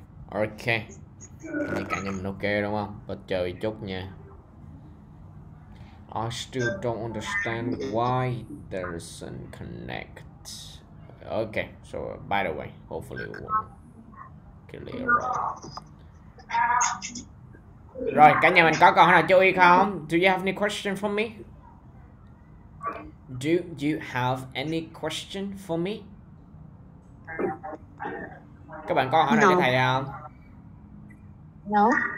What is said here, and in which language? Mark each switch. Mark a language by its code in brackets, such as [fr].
[vi] Ok, thì cả nhà mình ok đúng không? Và chờ một chút nha. [en] I still don't understand why there isn't connect. Ok, so by the way, hopefully it won't clear all. [vi] Rồi, cả nhà mình có câu hỏi nào chú ý không? [en] Do you have any question for me? Do you have any question for me? [vi] Các bạn có hỏi nào cho thầy không? [en] No.